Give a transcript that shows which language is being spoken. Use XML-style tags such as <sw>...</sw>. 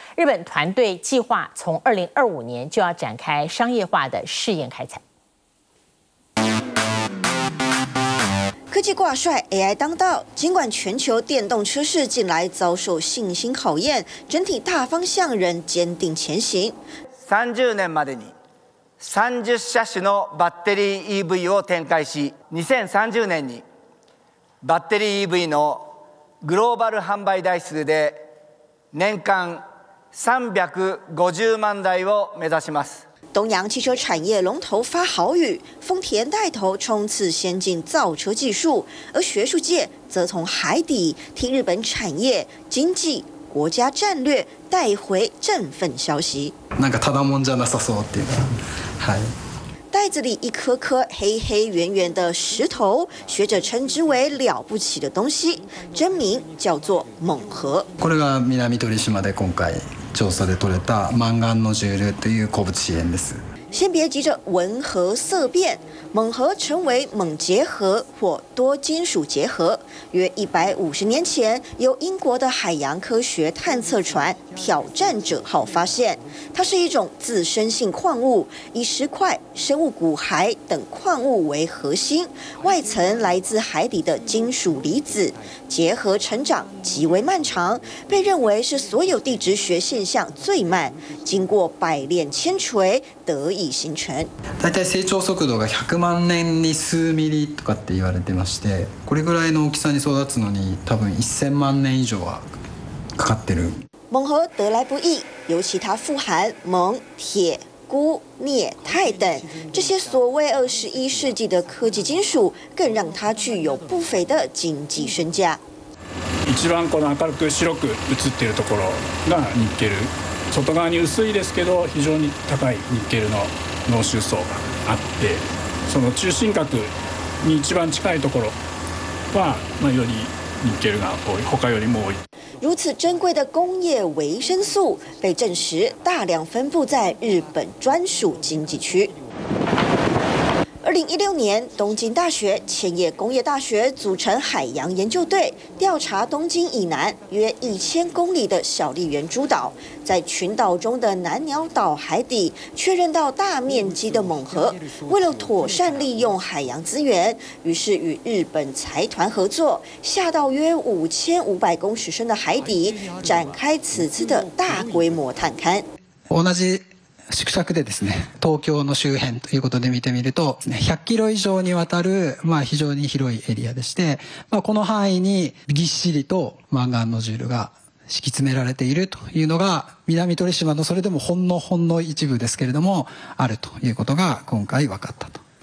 <zh>日本团队计划从2025年就要展开商业化的试验开采。科技挂帅 AI 当道，尽管全球电动车市近来遭受信心考验，整体大方向仍坚定前行。</zh> <ja>30年までに30車種のバッテリー EV を展開し、2030年にバッテリー EV のグローバル販売台数で年間350万台を目指します。</ja> <zh>东洋汽车产业龙头发豪语，丰田带头冲刺先进造车技术，而学术界则从海底替日本产业、经济、国家战略带回振奋消息。</zh> <ja>なんかただもんじゃなさそうっていう。はい。</ja> <zh>袋子里一颗颗黑黑圆圆的石头，学者称之为了不起的东西，真名叫做锰核。</zh> <ja>これが南鳥島で今回。調査で採れたマンガンノジュールという鉱物資源です。</ja> <zh>先别急着闻核色变，锰核成为锰结核或多金属结核。约150年前，由英国的海洋科学探测船“挑战者号”发现，它是一种自生性矿物，以石块、生物骨骸等矿物为核心，外层来自海底的金属离子，结核成长极为漫长，被认为是所有地质学现象最慢，经过百炼千锤得。</zh> <ja>大体成長速度が100万年に数ミリとかって言われてまして、これぐらいの大きさに育つのに多分1000万年以上はかかってる。</ja> <zh>锰核得来不易，尤其它富含锰、铁、钴、镍、钛等这些所谓21世纪的科技金属，更让它具有不菲的经济身价。</zh> <ja>一番この明るく白く映っているところがニッケル、外側に薄いですけど非常に高いニッケルの濃縮層があって、その中心核に一番近いところはまあよりニッケルが多い、他よりも多い。</ja> <zh>如此珍贵的工业维生素被证实大量分布在日本专属经济区。 2016年，东京大学、千叶工业大学组成海洋研究队，调查东京以南约1000公里的小笠原诸岛，在群岛中的南鸟岛海底确认到大面积的锰核。为了妥善利用海洋资源，于是与日本财团合作，下到约5500公尺深的海底，展开此次的大规模探勘。</zh> <ja>同じ縮尺でですね、東京の周辺ということで見てみると、100キロ以上にわたる、まあ非常に広いエリアでして、まあこの範囲にぎっしりとマンガンノジュールが敷き詰められているというのが、南鳥島のそれでもほんの一部ですけれども、あるということが今回分かったと。</ja>